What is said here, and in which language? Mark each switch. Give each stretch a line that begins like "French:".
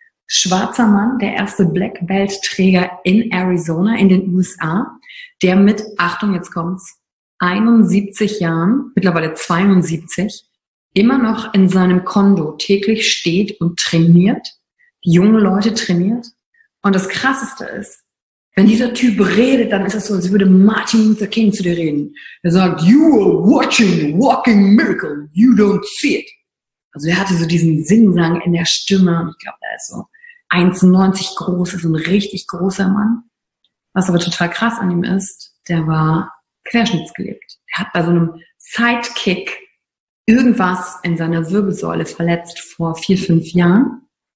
German: Schwarzer Mann, der erste Black Belt Träger in Arizona, in den USA, der mit, Achtung, jetzt kommt's, 71 Jahren, mittlerweile 72, immer noch in seinem Kondo täglich steht und trainiert, junge Leute trainiert. Und das Krasseste ist, wenn dieser Typ redet, dann ist es so, als würde Martin Luther King zu dir reden. Er sagt,
English: you are watching a walking miracle, you don't see it.
German: Also er hatte so diesen Singsang in der Stimme. Ich glaube, er ist so 1,90 groß, ist ein richtig großer Mann. Was aber total krass an ihm ist, der war querschnittsgelähmt. Er hat bei so einem Sidekick irgendwas in seiner Wirbelsäule verletzt vor 4, 5 Jahren.